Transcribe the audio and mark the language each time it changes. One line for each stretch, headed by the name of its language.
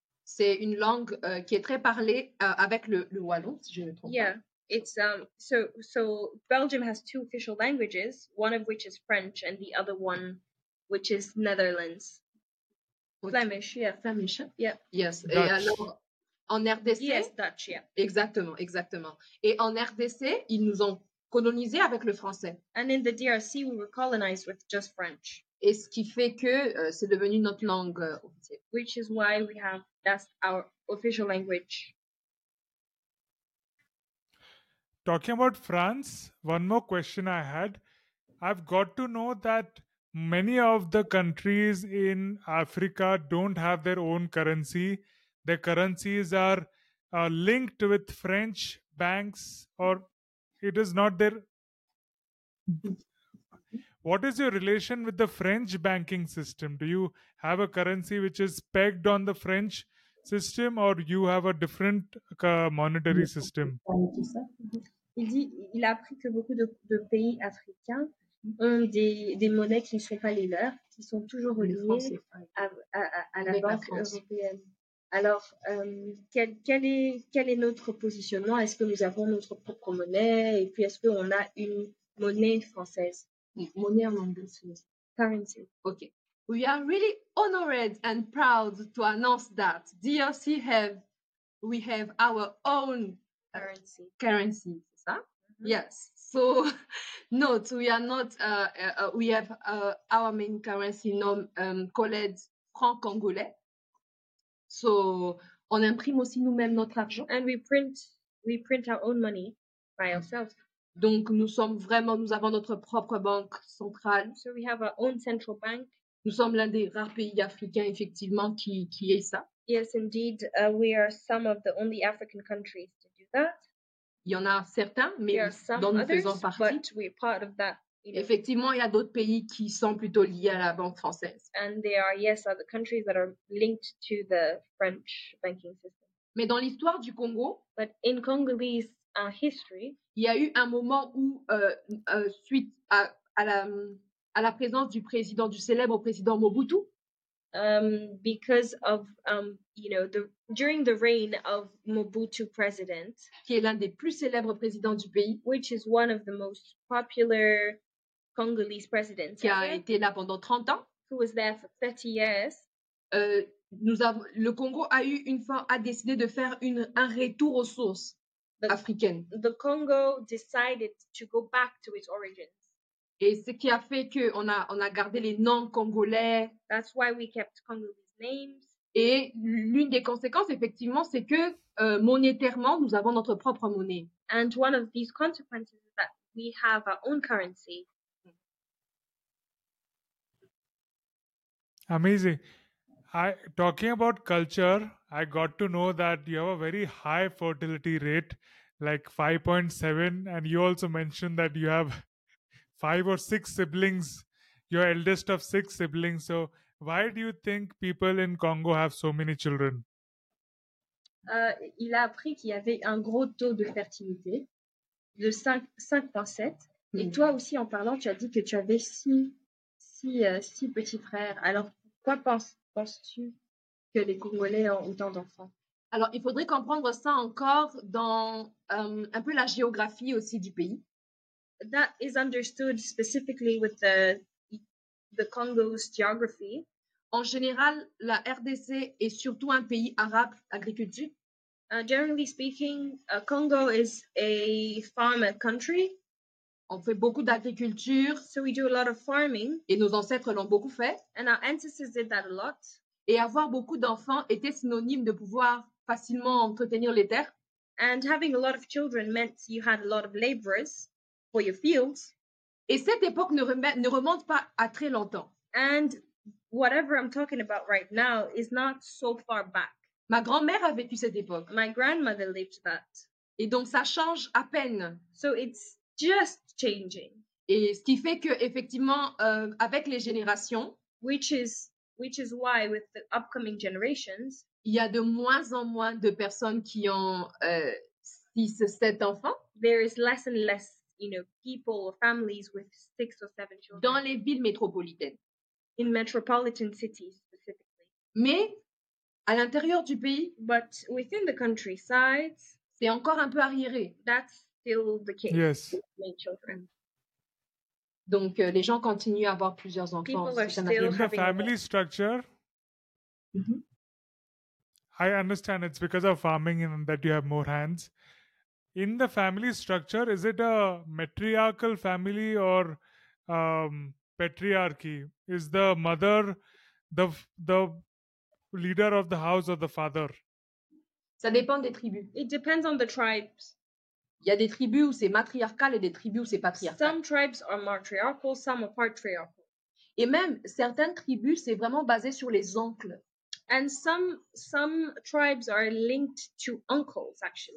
French: C'est une langue qui est très parlée avec le wallon, si je ne me trompe
English: yeah,
French: pas.
English: Yeah, it's so Belgium has two official languages, one of which is French and the other one, which is Netherlands. Okay. Flemish, yeah. Flemish, yeah. Yes, Dutch.
French: Et alors... En RDC,
English: yes, Dutch, yeah.
French: Exactement. Et en RDC, ils nous ont colonisés avec le français.
English: And in the DRC, we were colonized with just French.
French: Et ce qui fait que c'est devenu notre langue officielle.
English: Which is why we have that's our official language. Talking about France, one more question I had. I've got to know that many of the countries in Africa don't have their own currency. The currencies are linked with French banks or it is not their... What is your relation with the French banking system? Do you have a currency which is pegged on the French system or you have a different monetary system?
French: Il dit, il a appris que beaucoup de pays africains ont des monnaies qui ne sont pas les leurs, qui sont toujours liées à la banque européenne. Alors, quel est notre positionnement? Est-ce que nous avons notre propre monnaie? Et puis, est-ce qu'on a une monnaie française? Monnaie en anglais,
English: currency. OK. We are really honored and proud to announce that DRC we have our own currency. Is that? Mm-hmm. Yes. So, note, we are not, we have our main currency called franc congolais.
French: So, on imprime aussi nous-mêmes notre argent.
English: And we print our own money by ourselves.
French: Donc, nous sommes vraiment, nous avons notre propre banque centrale.
English: So, we have our own central bank.
French: Nous sommes l'un des rares pays africains, effectivement, qui est ça.
English: Yes, indeed. We are some of the only African countries to do that.
French: Il y en a certains, mais dont nous faisons partie.
English: But we're part of that.
French: Effectivement, il y a d'autres pays qui sont plutôt liés à la banque française.
English: And there are, yes, other countries that are linked to the French banking system.
French: Mais dans l'histoire du Congo,
English: but in Congolese history,
French: il y a eu un moment où, suite à la présence du président, du célèbre président Mobutu,
English: because of during the reign of Mobutu president,
French: qui est l'un des plus célèbres présidents du pays,
English: which is one of the most popular Congolese presidents,
French: qui a été là pendant 30 ans,
English: who was there for 30 years,
French: le Congo a eu une fois a décidé de faire un retour aux sources africaines.
English: The Congo decided to go back to its origins.
French: Et ce qui a fait que on a gardé les noms congolais.
English: That's why we kept Congolese names.
French: Et l'une des conséquences, effectivement, c'est que monétairement, nous avons notre propre monnaie.
English: And one of these consequences is that we have our own currency. Amazing. Talking about culture, I got to know that you have a very high fertility rate, like 5.7, and you also mentioned that you have 5 or 6 siblings, your eldest of 6 siblings. So why do you think people in Congo have so many children?
French: Il a appris qu'il y avait un gros taux de fertilité, de 5.7. Mm. Et toi aussi, en parlant, tu as dit que tu avais 6 petits frères. Alors, pourquoi penses-tu que les Congolais ont autant d'enfants? Alors, il faudrait comprendre ça encore dans un peu la géographie aussi du pays.
English: That is understood specifically with the Congo's geography.
French: En général, la RDC est surtout un pays arabe agriculture.
English: Generally speaking, Congo is a farmer country.
French: On fait beaucoup d'agriculture.
English: So we do a lot of farming.
French: Et nos ancêtres l'ont beaucoup fait.
English: And our ancestors did that a lot.
French: Et avoir beaucoup d'enfants était synonyme de pouvoir facilement entretenir les terres.
English: And having a lot of children meant you had a lot of laborers. For your fields.
French: Et cette époque ne remonte pas à très longtemps.
English: And whatever I'm talking about right now is not so far back.
French: Ma grand-mère a vécu cette époque.
English: My grandmother lived that.
French: Et donc ça change à peine.
English: So it's just changing.
French: Et ce qui fait que effectivement avec les générations,
English: which is why with the upcoming generations,
French: il y a de moins en moins de personnes qui ont 6-7 enfants.
English: There is less and less people or families with 6 or 7 children.
French: Dans les villes métropolitaines.
English: In metropolitan cities, specifically.
French: Mais, à l'intérieur du pays,
English: but within the countryside,
French: c'est encore un peu arriéré.
English: That's still the case. Yes. Many children.
French: Donc, les gens continuent à avoir plusieurs enfants.
English: People are still in the family structure, mm-hmm. I understand it's because of farming and that you have more hands. In the family structure, is it a matriarchal family or patriarchy? Is the mother the leader of the house or the father?
French: Ça dépend des tribus.
English: It depends on the tribes.
French: Il y a des tribus où c'est matriarcal et des tribus où c'est patriarcal.
English: Some tribes are matriarchal, some are patriarchal.
French: Et même certaines tribus, c'est vraiment basé sur les oncles.
English: And some tribes are linked to uncles, actually.